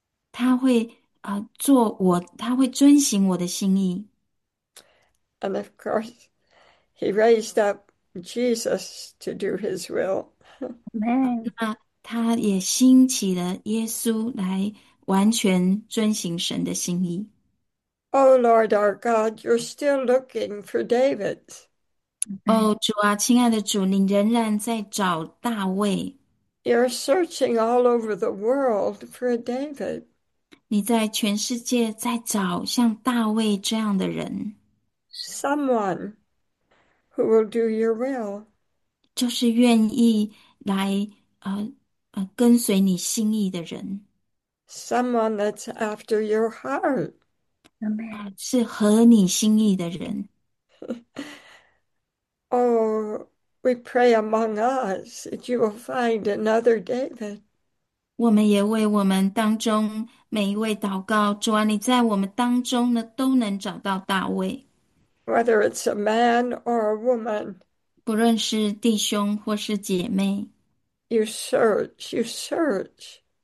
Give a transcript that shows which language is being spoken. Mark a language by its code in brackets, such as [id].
[zh] 他会遵行我的心意。 [en] And of course, he raised up Jesus to do his will. [zh] 那他也兴起了耶稣来完全遵行神的心意。 [en] Oh Lord, our God, you're still looking for David. [zh] 哦，主啊，亲爱的主，你仍然在找大卫。 [en] You're searching all over the world for a David. [zh] 你在全世界在找像大卫这样的人， [en] Someone who will do your will. [zh] 就是愿意来。跟随你心意的人， [en] Someone that's after your heart. [zh] 是合你心意的人。 [en] Oh, we pray among us that you will find another David. [zh] 我们也为我们当中每一位祷告，主啊，你在我们当中呢，都能找到大卫， [en] Whether it's a man or a woman, [zh] 不论是弟兄或是姐妹。 [en] you search, you search.